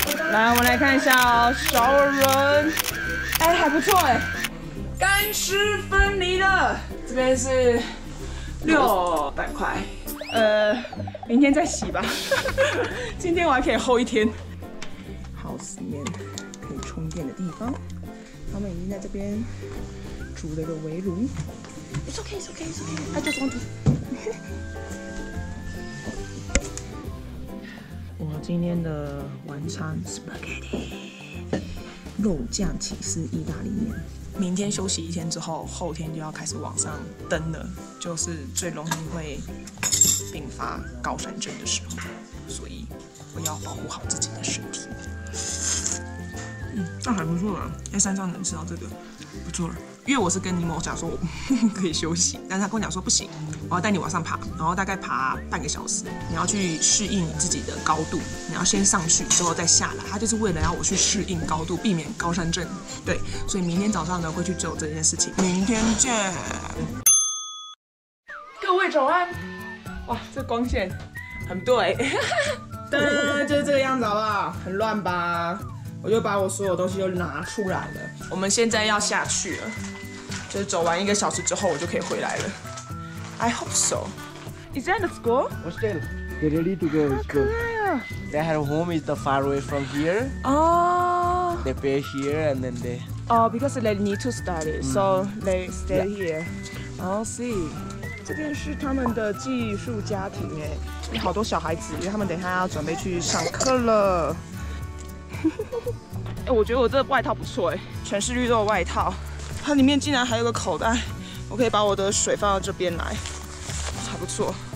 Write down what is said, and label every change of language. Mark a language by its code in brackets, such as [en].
[zh] 来，我们来看一下哦 ，shower room。哎，还不错哎，干湿分离的。这边是600块。明天再洗吧。今天我还可以 hold 一天。house 里面可以充电的地方，他们已经在这边煮了个围炉。 [en] It's okay, it's okay, it's okay. I just want to. [zh] 我今天的晚餐 spaghetti 肉酱起司意大利面。明天休息一天之后，后天就要开始往上登了，就是最容易会并发高山症的时候，所以我要保护好自己的身体。那还不错啦，在山上能吃到这个，不错了。因为我是跟尼摩讲说我可以休息，但是他跟我讲说不行，我要带你往上爬，然后大概爬半个小时，你要去适应自己的高度，你要先上去之后再下来，他就是为了要我去适应高度，避免高山症。对，所以明天早上呢会去做这件事情。明天见，各位早安。哇，这光线很对，噔，就是这个样子好不好？很乱吧？我就把我所有东西都拿出来了。我们现在要下去了，就是走完一个小时之后，我就可以回来了。 I hope so. [en] Is that the school? Well, still, they're ready to go to school. Their home is the far away from here. Oh. They pay here and then they. Oh, because they need to study, so they stay here. I'll see. [zh] 这边是他们的寄宿家庭哎，这边好多小孩子，因为他们等一下要准备去上课了。欸，我觉得我这外套不错，全是绿豆外套，它里面竟然还有个口袋，我可以把我的水放到这边来，还不错。